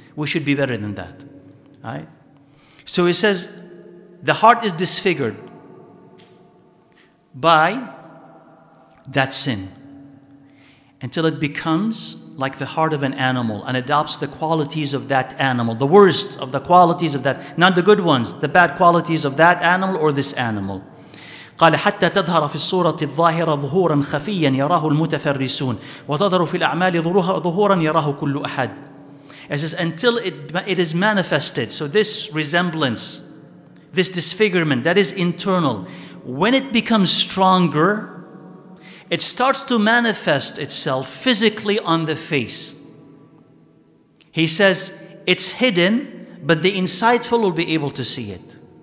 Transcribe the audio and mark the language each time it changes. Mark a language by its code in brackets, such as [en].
[en] We should be better than that. Right? So it says, the heart is disfigured by that sin, until it becomes like the heart of an animal and adopts the qualities of that animal, the worst of the qualities of that, not the good ones, the bad qualities of that animal or this animal. [ar] قال حتى تظهر في الصورة الظاهرة ظهورا خفيا يراه المتفرسون وتظهر في الأعمال ظهورا يراه كل أحد. [en] It says, until it is manifested, so this resemblance, this disfigurement, that is internal, when it becomes stronger, it starts to manifest itself physically on the face. He says, it's hidden, but the insightful will be able to see it.